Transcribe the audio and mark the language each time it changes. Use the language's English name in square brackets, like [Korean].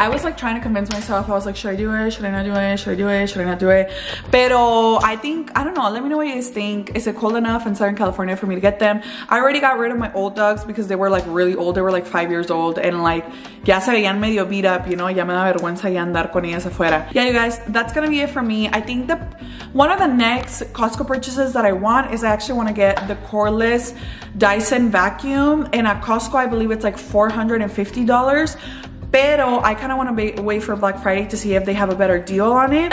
[English] I was like trying to convince myself. I was like, should I do it? Should I not do it? Should I do it? Should I not do it? Pero I think, I don't know. Let me know what you guys think. Is it cold enough in Southern California for me to get them? I already got rid of my old Uggs because they were like really old. They were like 5 years old and like, [Spanish] ya se veían medio [English] beat up, you know? [Spanish] Ya me da vergüenza ya andar con ellas afuera. [English] Yeah, you guys, that's gonna be it for me. I think the one of the next Costco purchases that I want is I actually wanna get the cordless Dyson vacuum, and at Costco I believe it's like $450, Pero I kind of want to wait for Black Friday to see if they have a better deal on it.